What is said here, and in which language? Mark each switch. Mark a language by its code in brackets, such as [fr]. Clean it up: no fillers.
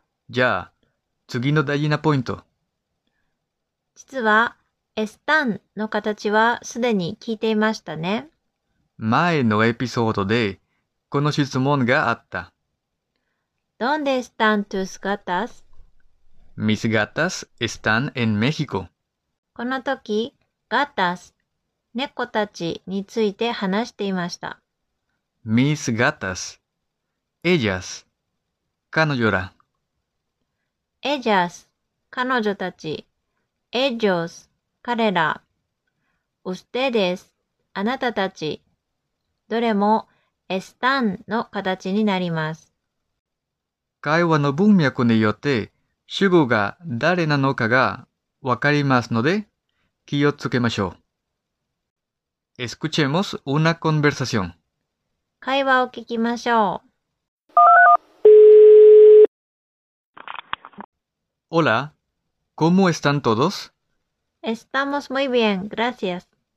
[ja] じゃあ、次の大事なポイント。実は、エスタンの形はすでに聞いていましたね。前のエピソードでこの質問があった。どんでスタンとスガタス? [es] Mis gatas están en México. [ja] この時、ガタス、猫たちについて話していました。 [es] Mis gatas, ellas, [ja] 彼女ら。 [es] Ellas, [ja] 彼女たち。 [es] Ellos, [ja] 彼ら。 [es] Ustedes, [ja] あなたたち。どれも están の形になります。会話の文脈によって、主語が誰なのかがわかりますので、気をつけましょう。 [es] Escuchemos una conversación. [ja] 会話を聞きましょう。 [es] Hola, ¿cómo están todos? Estamos muy bien, gracias.